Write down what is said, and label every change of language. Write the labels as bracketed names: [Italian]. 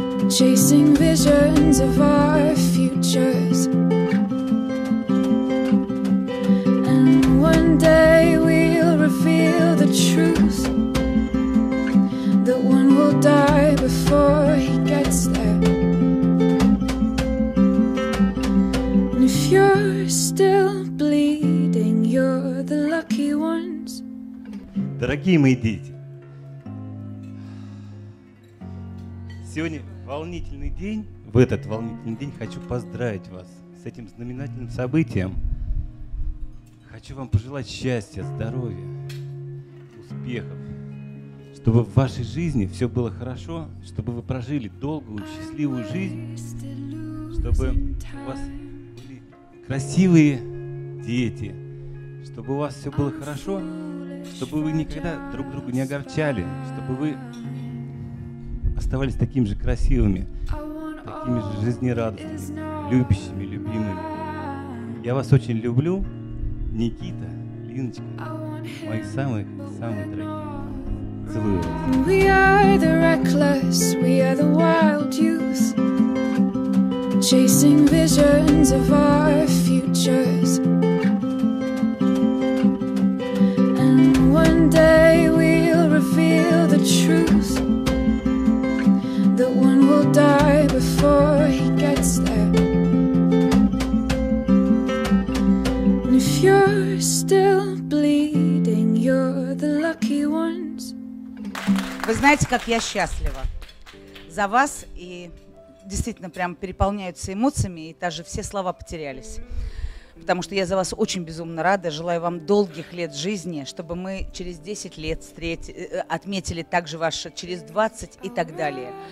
[English] Chasing visions of our futures, and one day we'll reveal the truth, that one will die before he gets there. And if you're still bleeding, you're the lucky ones. [Russian] Дорогие мои дети, сегодня волнительный день. В этот волнительный день хочу поздравить вас с этим знаменательным событием. Хочу вам пожелать счастья, здоровья, успехов, чтобы в вашей жизни все было хорошо, чтобы вы прожили долгую, счастливую жизнь, чтобы у вас были красивые дети, чтобы у вас все было хорошо, чтобы вы никогда друг друга не огорчали, чтобы вы оставались такими же красивыми, такими же жизнерадостными, любящими, любимыми. Я вас очень люблю, Никита, Линочка, мои самые-самые дорогие. Целую вас. [English] We are the reckless, we are the wild youth, chasing visions of our futures. And one day we'll reveal the truth, that one will die before he gets there. And if you're still bleeding, you're the lucky ones. [Russian] Вы знаете, как я счастлива за вас и... Действительно, прям переполняются эмоциями, и даже все слова потерялись. Потому что я за вас очень безумно рада, желаю вам долгих лет жизни, чтобы мы через 10 лет отметили также ваше, через 20 и так далее.